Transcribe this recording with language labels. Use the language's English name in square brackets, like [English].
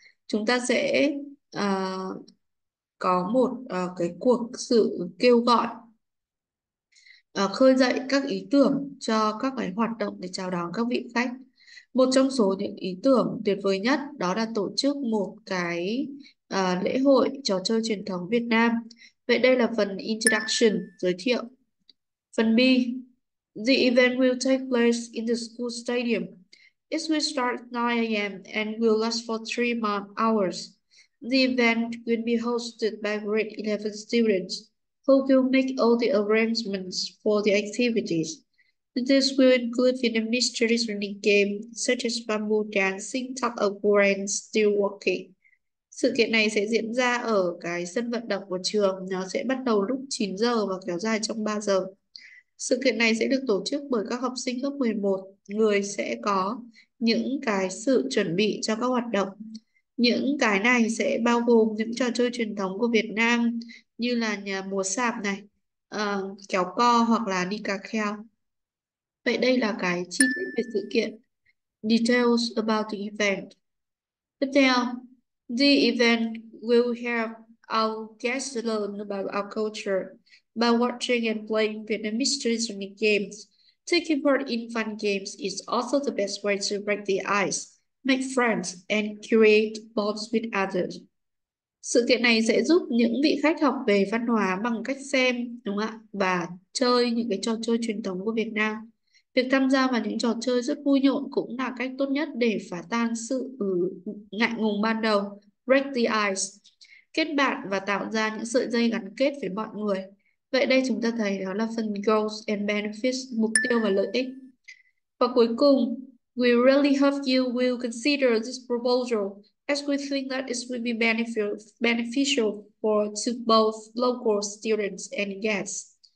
[Vietnamese] Chúng ta sẽ có một cái cuộc sự kêu gọi khơi dậy các ý tưởng cho các cái hoạt động để chào đón các vị khách. Một trong số những ý tưởng tuyệt vời nhất đó là tổ chức một cái lễ hội trò chơi truyền thống Việt Nam. Vậy đây là phần introduction, giới thiệu. Phần B. [English] The event will take place in the school stadium. It will start 9 a.m. and will last for 3 hours. The event will be hosted by grade 11 students who will make all the arrangements for the activities. This will include Vietnamese traditional games such as bamboo dancing, tug of war, and steel walking. [Vietnamese] Sự kiện này sẽ diễn ra ở cái sân vận động của trường. Nó sẽ bắt đầu lúc 9 giờ và kéo dài trong 3 giờ. Sự kiện này sẽ được tổ chức bởi các học sinh lớp 11, người sẽ có những cái sự chuẩn bị cho các hoạt động. Những cái này sẽ bao gồm những trò chơi truyền thống của Việt Nam như là nhà múa sạp này, kéo co hoặc là đi cà kheo. Vậy đây là cái chi tiết về sự kiện. [English] Details about the event. [Vietnamese] Tiếp theo, [English] the event will help our guests learn about our culture by watching and playing Vietnamese traditional games. Taking part in fun games is also the best way to break the ice, make friends, and create bonds with others. [Vietnamese] Sự kiện này sẽ giúp những vị khách học về văn hóa bằng cách xem, đúng không ạ, và chơi những cái trò chơi truyền thống của Việt Nam. Việc tham gia vào những trò chơi rất vui nhộn cũng là cách tốt nhất để phá tan sự ngại ngùng ban đầu, [English] break the ice, [Vietnamese] kết bạn và tạo ra những sợi dây gắn kết với mọi người. Vậy đây chúng ta thấy đó là phần [English] goals and benefits, [Vietnamese] mục tiêu và lợi ích. Và cuối cùng, [English] we really hope you will consider this proposal as we think that it will be beneficial for to both local students and guests.